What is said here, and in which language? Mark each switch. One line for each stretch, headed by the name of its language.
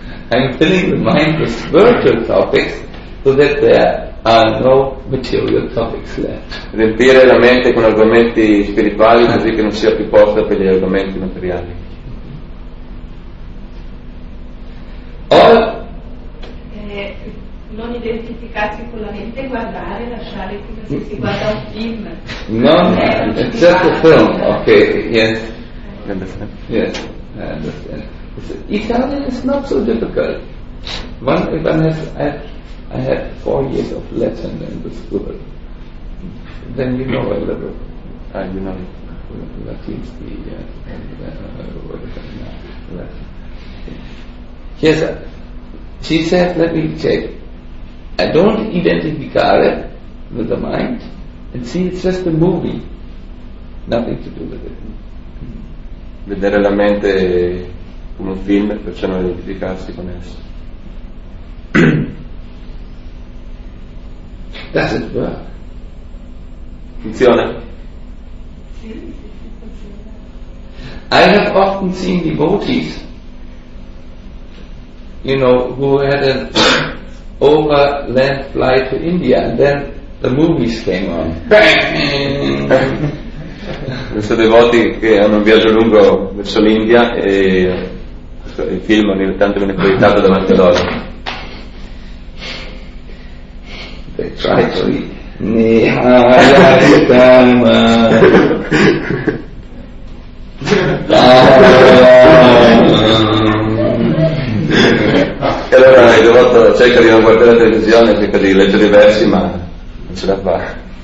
English: I'm filling the mind with spiritual topics so that there are no material topics left.
Italian: Riempire la mente con argomenti spirituali così che non sia più posta per gli argomenti materiali. Non identificarsi con la mente, guardare, lasciare come se si guarda un film.
English: No, it's just a film. Okay, yes. Understand. Yes, I understand. Italian is not so difficult. I had 4 years of Latin in the school. Then you know a little. You know Latin speed, yeah. Yes, she said, let me check. I don't identificare with the mind, and see, it's just a movie. Nothing to do with it.
Italian: Vedere la mente come un film, perciò non identificarsi con esso.
English: Does it work?
Italian: Funziona?
English: I have often seen devotees, you know, who had an overland flight to India, and then the movies came on.
Italian: Questi devoti che hanno un viaggio lungo verso l'India e il film ogni tanto viene proiettato davanti a loro.
English: They try to eat.
Italian: E allora il devoto cerca di non guardare la televisione, cerca di leggere i versi, ma non ce la fa.